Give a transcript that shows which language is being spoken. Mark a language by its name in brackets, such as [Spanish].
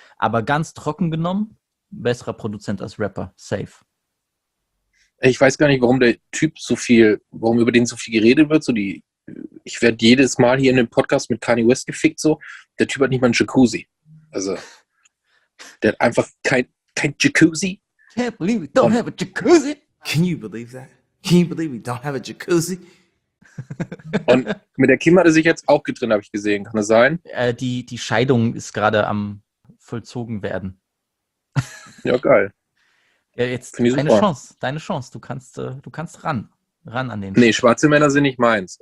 [German] Aber ganz trocken genommen, besserer Produzent als Rapper, safe. Ich weiß gar nicht, warum über den so viel geredet wird. Ich werde jedes Mal hier in dem Podcast mit Kanye West gefickt, so. Der Typ hat nicht mal einen Jacuzzi. Also, der hat einfach kein Jacuzzi. [English] Can't believe we don't have a Jacuzzi. Can you believe that? Can you believe we don't have a Jacuzzi? [German] Und mit der Kim hat er sich jetzt auch getrennt, habe ich gesehen. Kann das sein? Die Scheidung ist gerade am vollzogen werden. Ja, geil. Ja, jetzt deine Chance. Du kannst ran. Ran an den. Nee, schwarze Männer sind nicht meins.